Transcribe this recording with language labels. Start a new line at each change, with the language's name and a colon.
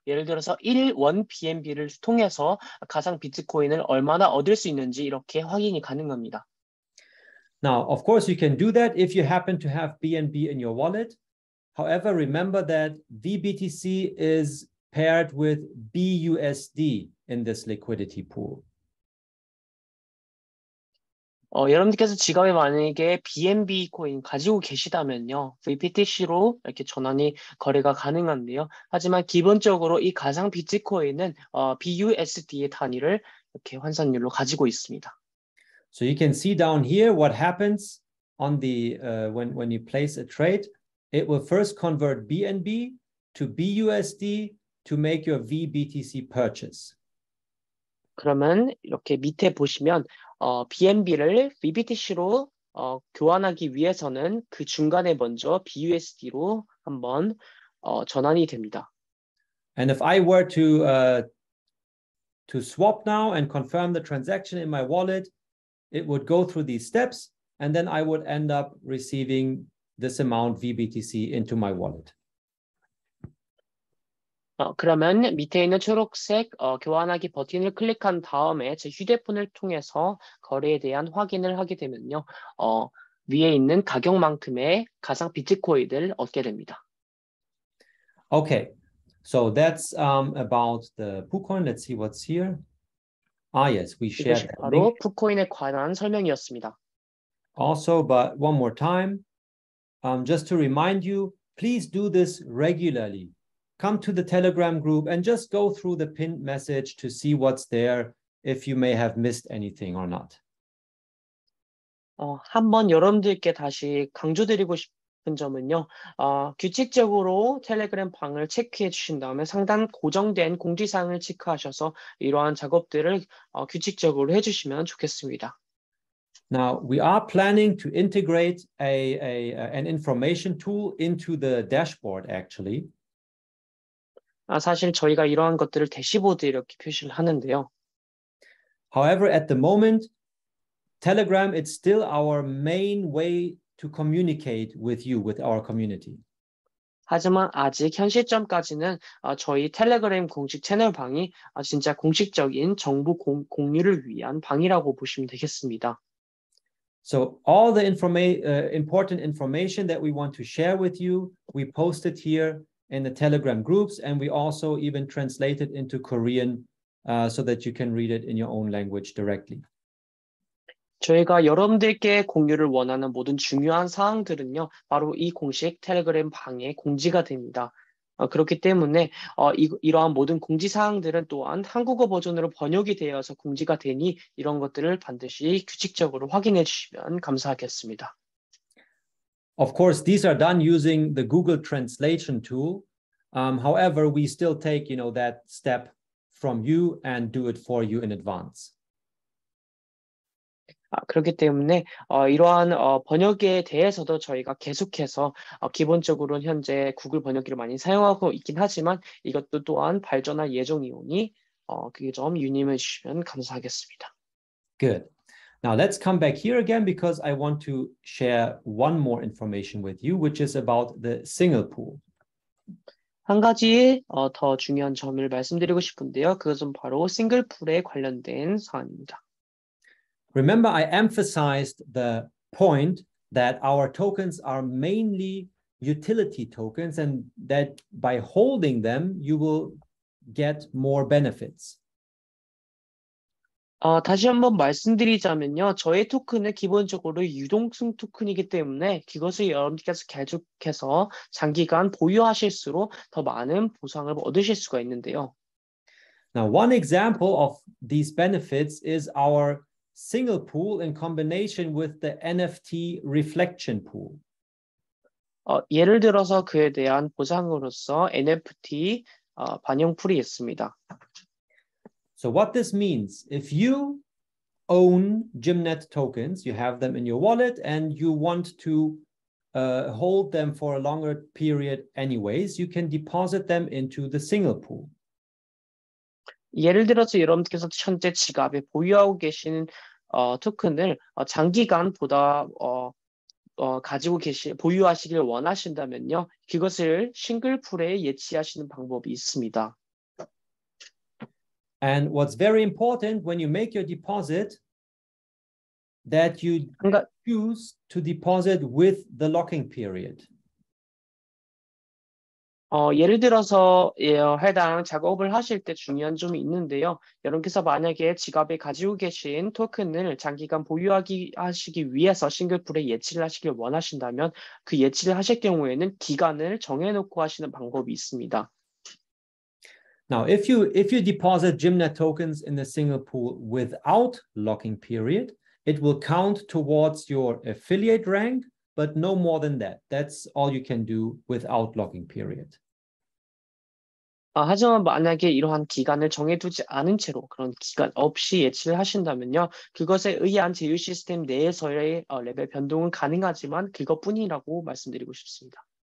Korean: 예를 들어서 1원 BNB를 통해서 가상 비트코인을 얼마나 얻을 수 있는지 이렇게 확인이 가능합니다.
English: Now, of course, you can do that if you happen to have BNB in your wallet. However, remember that VBTC is paired with BUSD in this liquidity pool.
Korean: 여러분들께서 지갑에 만약에 BNB 코인 가지고 계시다면요, VBTC로 이렇게 전환이 거래가 가능한데요. 하지만 기본적으로 이 가상 비트코인은 BUSD의 단위를 이렇게 환산율로 가지고 있습니다.
English: So you can see down here what happens on the when you place a trade. It will first convert BNB to BUSD to make your VBTC purchase.
Korean: 그러면 이렇게 밑에 보시면 BNB를 VBTC로 교환하기 위해서는 그 중간에 먼저 BUSD로 한번 전환이 됩니다.
English: And if I were to swap now and confirm the transaction in my wallet, it would go through these steps, and then I would end up receiving this amount VBTC into my wallet.
Korean: 그러면 밑에 있는 초록색 교환하기 버튼을 클릭한 다음에 제 휴대폰을 통해서 거래에 대한 확인을 하게 되면요, 위에 있는 가격만큼의 가상 비트코인을 얻게 됩니다.
English: Okay, so that's about the PooCoin. Let's see what's here. Ah, yes, we shared that link.
Korean: 이것이 바로 푸코인에 관한 설명이었습니다.
English: Also, but one more time, just to remind you, please do this regularly. Come to the Telegram group and just go through the pinned message to see what's there, if you may have missed anything or not.
Korean: 한번 여러분들께 다시 강조드리고 싶 큰 점은요. 규칙적으로 텔레그램 방을 체크해 주신 다음에 상단 고정된 공지사항을 체크하셔서 이러한 작업들을 규칙적으로 해주시면 좋겠습니다.
English: Now we are planning to integrate an information tool into the dashboard actually.
Korean: 사실 저희가 이러한 것들을 대시보드 이렇게 표시를 하는데요.
English: However, at the moment, Telegram is still our main way to communicate with you, with our community.
Korean: 하지만 아직 현 시점까지는 저희 텔레그램 공식 채널 방이 진짜 공식적인 정보 공유를 위한 방이라고 보시면 되겠습니다.
English: So all the important information that we want to share with you, we post it here in the Telegram groups, and we also even translate it into Korean so that you can read it in your own language directly.
Korean: 저희가 여러분들께 공유를 원하는 모든 중요한 사항들은요, 바로 이 공식 텔레그램 방에 공지가 됩니다. 그렇기 때문에 이러한 모든 공지 사항들은 또한 한국어 버전으로 번역이 되어서 공지가 되니 이런 것들을 반드시 규칙적으로 확인해 주시면 감사하겠습니다.
English: Of course, these are done using the Google translation tool. However, we still take, you know, that step from you and do it for you in advance.
Korean: 그렇기 때문에 이러한 번역에 대해서도 저희가 계속해서 기본적으로는 현재 구글 번역기를 많이 사용하고 있긴 하지만 이것도 또한 발전할 예정이오니 그게 좀 유념해 주시면 감사하겠습니다.
English: Good. Now let's come back here again because I want to share one more information with you, which is about the single pool.
Korean: 한 가지 더 중요한 점을 말씀드리고 싶은데요. 그것은 바로 싱글 풀에 관련된 사안입니다.
English: Remember, I emphasized the point that our tokens are mainly utility tokens and that by holding them, you will get more benefits.
Korean: 다시 한번 말씀드리자면요. 저의 토큰은 기본적으로 유동성 토큰이기 때문에 그것을 여러분께서 계속해서 장기간 보유하실수록 더 많은 보상을 얻으실 수가 있는데요.
English: Now, one example of these benefits is our single pool in combination with the NFT reflection pool.
Korean: 예를 들어서 그에 대한 보상으로서 NFT 반영 풀이 있습니다.
English: So what this means, if you own Gymnet tokens, you have them in your wallet and you want to hold them for a longer period anyways, you can deposit them into the single pool.
Korean: 예를 들어서 여러분께서 현재 지갑에 보유하고 계시는 토큰을 장기간 보다 가지고 계시 보유하시길 원하신다면요. 그것을 싱글풀에 예치하시는 방법이 있습니다.
English: And what's very important when you make your deposit that you choose to deposit with the locking period.
Korean: 예를 들어서 해당 작업을 하실 때 중요한 점이 있는데요. 여러분께서 만약에 지갑에 가지고 계신 토큰을 장기간 하시기 위해서 싱글풀에 예치를 하시길 원하신다면 그 예치를 하실 경우에는 기간을 정해놓고 하시는 방법이 있습니다.
English: Now, if you deposit Gymnet tokens in the single pool without locking period, it will count towards your affiliate rank. But no more than that. That's all you can do without locking period.
Korean: 하지만 만약에 이러한 기간을 정해두지 않은 채로 그런 기간 없이 예치를 하신다면요, 그것에 의한 제휴 시스템 내에서의 레벨 변동은 가능하지만 그것뿐이라고 말씀드리고 싶습니다.